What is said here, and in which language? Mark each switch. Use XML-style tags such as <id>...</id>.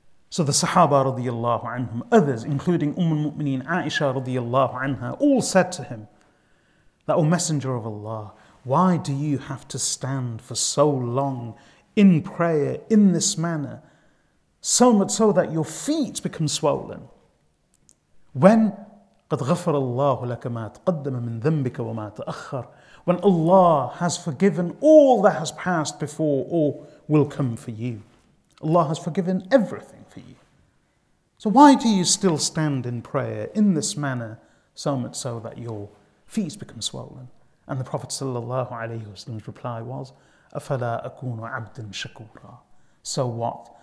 <en>So the Sahaba radiyallahu anhum, others, including al-Mu'mineen Aisha radiyallahu anha, all said to him, that, O Messenger of Allah, why do you have to stand for so long in prayer in this manner, so much so that your feet become swollen? When</en> <ar>قَدْ غَفَرَ اللَّهُ لَكَ مَا تَقَدَّمَ مِنْ ذَنْبِكَ وَمَا تَأَخَّرَ.</ar> <en>When Allah has forgiven all that has passed before or will come for you. Allah has forgiven everything. So why do you still stand in prayer in this manner, so much so that your feet become swollen? And the Prophet sallallahu alaihi wasallam's reply was,</en> <ar>أَفَلَا أَكُونُ عَبْدٍ شَكُورًا.</ar> <en>So what?</en>